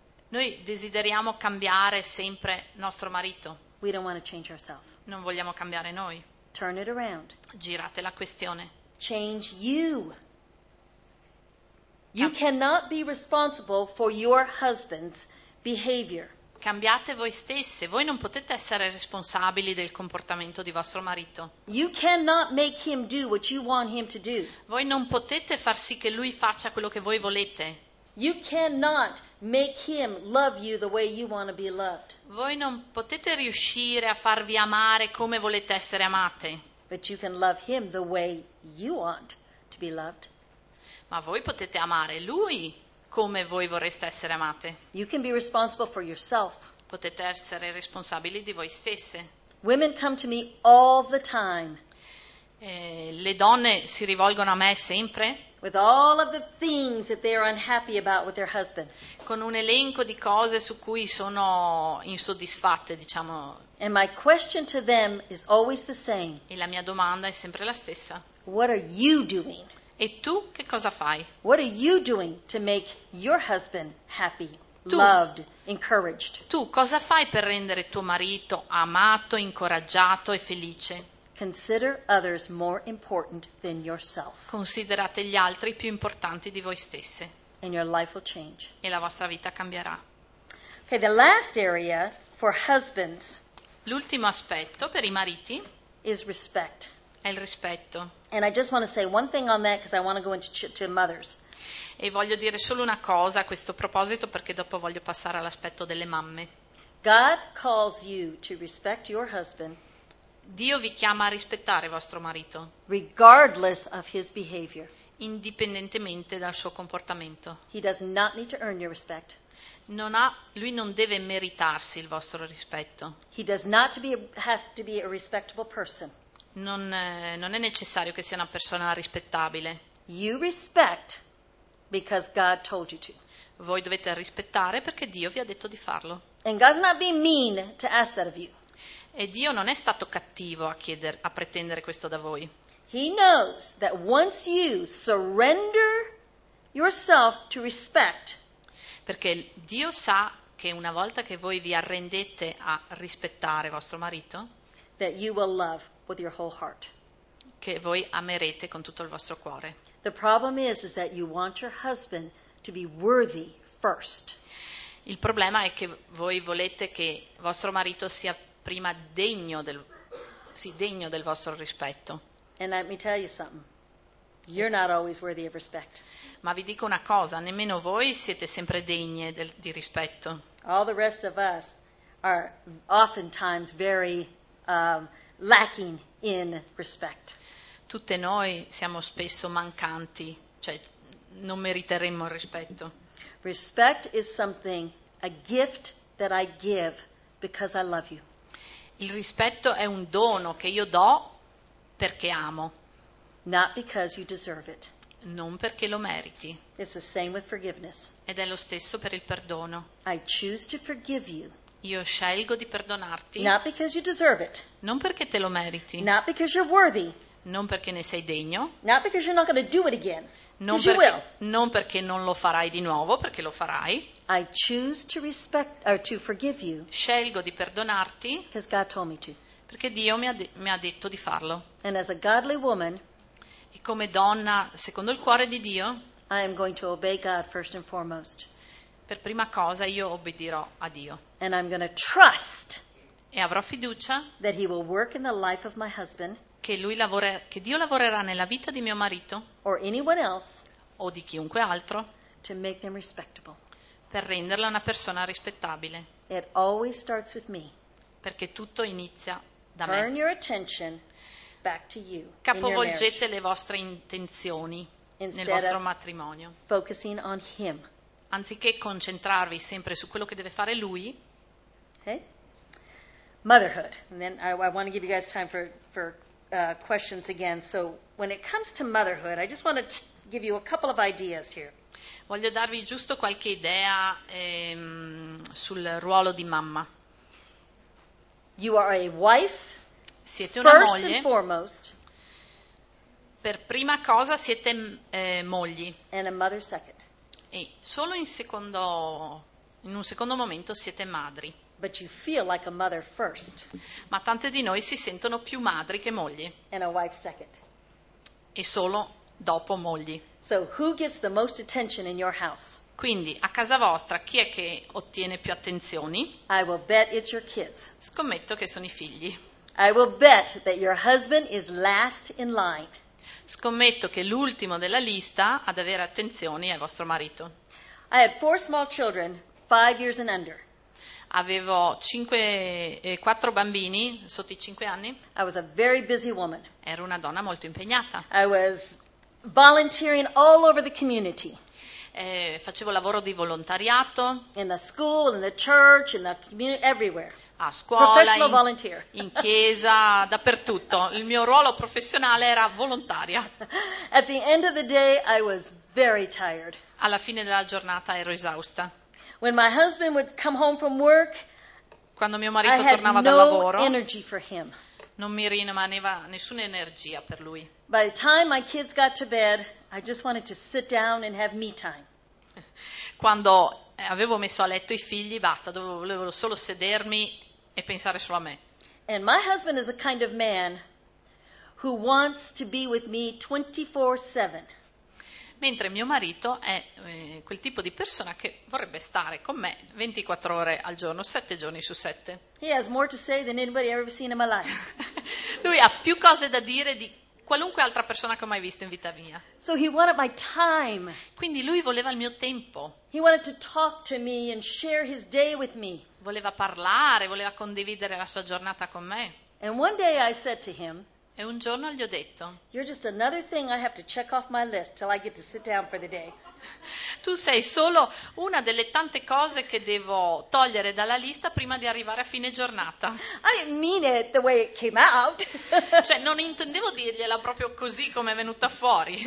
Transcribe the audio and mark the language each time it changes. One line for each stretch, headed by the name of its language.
Italian: Noi desideriamo cambiare sempre nostro marito.
English: We don't want to change ourselves.
Italian: Non vogliamo cambiare noi.
English: Turn it around.
Italian: Girate la questione.
English: Change you. You cannot be responsible for your husband's behavior.
Italian: Cambiate voi stesse. Voi non potete essere responsabili del comportamento di vostro marito.
English: You cannot make him do what you want him to do.
Italian: Voi non potete far sì che lui faccia quello che voi volete.
English: You cannot make him love you the way you want to be loved.
Italian: Voi non potete riuscire a farvi amare come volete essere amate.
English: But you can love him the way you want to be loved.
Italian: Ma voi potete amare lui come voi vorreste essere amate.
English: You can be responsible for yourself.
Italian: Potete essere responsabili di voi stesse.
English: Women come to me all the time.
Italian: Le donne si rivolgono a me sempre.
English: With all of the things that they are unhappy about with their husband.
Italian: Con un elenco di cose su cui sono insoddisfatte, diciamo.
English: And my question to them is always the same.
Italian: E la mia domanda è sempre la stessa.
English: What are you doing?
Italian: E tu che cosa fai?
English: What are you doing to make your husband happy, loved, encouraged?
Italian: Tu cosa fai per rendere tuo marito amato, incoraggiato e felice?
English: Consider others more important than yourself.
Italian: Considerate gli altri più importanti di voi stesse.
English: And your life will change.
Italian: E la vostra vita cambierà.
English: Okay, the last area for husbands.
Italian: L'ultimo aspetto per i mariti is respect. È il rispetto.
English: And I just want to say one thing on that because I want to go into mothers.
Italian: E voglio dire solo una cosa a questo proposito perché dopo voglio passare all'aspetto delle mamme.
English: God calls you to respect your husband.
Italian: Dio vi chiama a rispettare vostro marito.
English: Regardless of his behavior.
Italian: Indipendentemente dal suo comportamento.
English: He does not need to earn your respect.
Italian: Lui non deve meritarsi il vostro rispetto.
English: He does not have to be a respectable person.
Italian: Non è necessario che sia una persona rispettabile.
English: You respect because God told you to.
Italian: Voi dovete rispettare perché Dio vi ha detto di farlo.
English: And God's not being mean to ask that of you.
Italian: E Dio non è stato cattivo a pretendere questo da voi.
English: He knows that once you surrender yourself to respect,
Italian: perché Dio sa che una volta che voi vi arrendete a rispettare vostro marito,
English: that you will love with your whole heart.
Italian: Che voi amerete con tutto il vostro cuore.
English: The problem is that you want your husband to be worthy first.
Italian: Il problema è che voi volete che vostro marito sia prima degno del vostro rispetto.
English: And let me tell you something. You're not always worthy of respect.
Italian: Ma vi dico una cosa, nemmeno voi siete sempre degne di rispetto.
English: All the rest of us are oftentimes very lacking in respect.
Italian: Tutte noi siamo spesso mancanti, cioè non meriteremmo il rispetto.
English: Respect is something, a gift that I give because I love you.
Italian: Il rispetto è un dono che io do perché amo.
English: Not because you deserve it.
Italian: Non perché lo meriti.
English: It's the same with forgiveness.
Italian: Ed è lo stesso per il perdono.
English: I choose to forgive you.
Italian: Io scelgo di perdonarti.
English: Not because you deserve it.
Italian: Non perché te lo meriti.
English: Not because you're worthy.
Italian: Non perché ne sei degno.
English: Not because you're not going to do it again.
Italian: Non perché,
English: you will.
Italian: Non perché non lo farai di nuovo, perché lo farai.
English: I choose to respect or to forgive you.
Italian: Scelgo di perdonarti.
English: Because God told me to.
Italian: Perché Dio mi ha detto di farlo.
English: And as a godly woman.
Italian: E come donna secondo il cuore di Dio.
English: I am going to obey God first and foremost.
Italian: Per prima cosa io obbedirò a Dio.
English: And I'm going to trust.
Italian: E avrò fiducia.
English: That He will work in the life of my husband.
Italian: Che Dio lavorerà nella vita di mio marito.
English: Or anyone else.
Italian: O di chiunque altro.
English: To make them respectable.
Italian: Per renderla una persona rispettabile.
English: It always starts with me.
Italian: Perché tutto inizia da
English: Turn
Italian: me.
English: Your attention back to you.
Italian: Capovolgete le vostre intenzioni nel vostro matrimonio. Focusing on Him. Anziché concentrarvi sempre su quello che deve fare lui.
English: Okay. Motherhood. And then I want to give you guys time for questions again. So when it comes to motherhood, I just want to give you a couple of ideas here.
Italian: Voglio darvi giusto qualche idea sul ruolo di mamma.
English: You are a wife.
Italian: Siete una
English: first
Italian: moglie.
English: First and foremost.
Italian: Per prima cosa siete mogli.
English: And a mother second.
Italian: E solo in un secondo momento siete madri.
English: But you feel like a mother first.
Italian: Ma tante di noi si sentono più madri che mogli.
English: And a wife second.
Italian: E solo dopo mogli.
English: So who gets the most attention in your house?
Italian: Quindi a casa vostra chi è che ottiene più attenzioni?
English: I will bet it's your kids.
Italian: Scommetto che sono i figli.
English: I will bet that your husband is last in line.
Italian: Scommetto che l'ultimo della lista ad avere attenzioni è vostro marito.
English: I had four small children, 5 years and under.
Italian: Avevo quattro bambini sotto i 5 anni.
English: I was a very busy woman.
Italian: Ero una donna molto impegnata.
English: I was volunteering all over the community.
Italian: Facevo lavoro di volontariato.
English: In the school, in the church, in the community, everywhere.
Italian: A scuola,
English: volunteer.
Italian: In chiesa, dappertutto. Il mio ruolo professionale era volontaria.
English: At the end of the day, I was very tired.
Italian: Alla fine della giornata ero esausta.
English: When my husband would come home from work,
Italian: quando mio marito tornava
English: no
Italian: dal lavoro,
English: energy for him.
Italian: Non mi rimaneva nessuna energia per lui.
English: By the time my kids got to bed, I just wanted to sit down and have me time.
Italian: Quando avevo messo a letto i figli, basta, volevo solo sedermi e pensare solo a me.
English: And my husband is a kind of man who wants to be with me 24/7.
Italian: Mentre mio marito è quel tipo di persona che vorrebbe stare con me 24 ore al giorno, 7 giorni su 7.
English: He has more to say than anybody I've ever seen in my life.
Italian: Lui ha più cose da dire di qualunque altra persona che ho mai visto in vita mia.
English: So he wanted my time.
Italian: Quindi lui voleva il mio tempo.
English: He wanted to talk to me and share his day with me.
Italian: Voleva parlare, voleva condividere la sua giornata con me.
English: And one day I said to him,
Italian: e un giorno gli ho detto,
English: you're just another thing I have to check off my list till I get to sit down for the day.
Italian: Tu sei solo una delle tante cose che devo togliere dalla lista prima di arrivare a fine giornata.
English: I didn't mean it the way it came out.
Italian: Cioè non intendevo dirgliela proprio così come è venuta fuori.